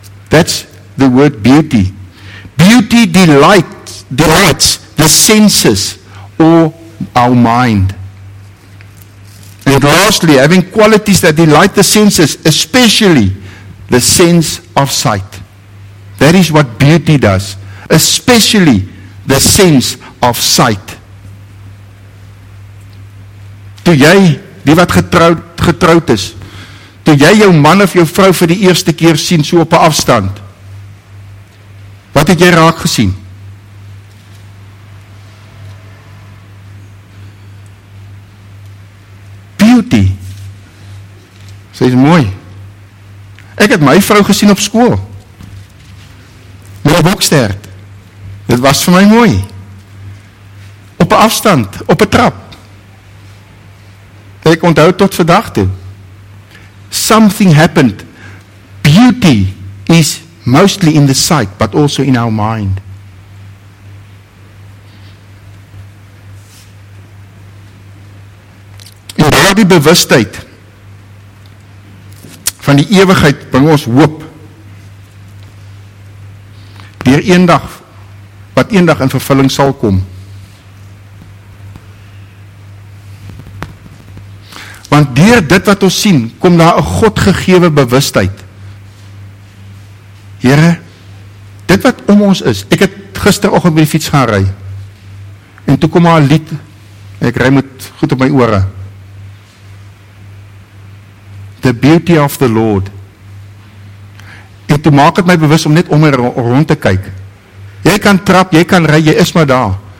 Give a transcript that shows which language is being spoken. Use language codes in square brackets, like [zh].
[en] That's the word beauty. Beauty delights the senses or our mind. And lastly, having qualities that delight the senses, especially the sense of sight. That is what beauty does, especially the sense of sight. [af] Toe jy, die wat getroud is, toe jy jou man of jou vrou vir die eerste keer sien, so op 'n afstand, wat het jy raak gesien? Beauty. Sy is mooi. Ek het my vrou gesien op skool. Met 'n bokstert. Dit was vir my mooi. Op 'n afstand, op 'n trap. Ek onthou tot vandag toe. [en] Something happened. Beauty is mostly in the sight, but also in our mind. [af] En daardie bewustheid van die ewigheid bring ons hoop. Deur eendag, wat eendag in vervulling sal kom. Want deur dit wat ons sien, kom daar 'n Godgegewe bewustheid. Here, dit wat om ons is, ek het gisteroggend met die fiets gaan ry, en toe kom maar 'n lied, ek ry met goed op my ore. [en] The beauty of the Lord. [af] En toe maak het my bewus om net om rond te kyk. Jy kan trap, jy kan ry, jy is maar daar.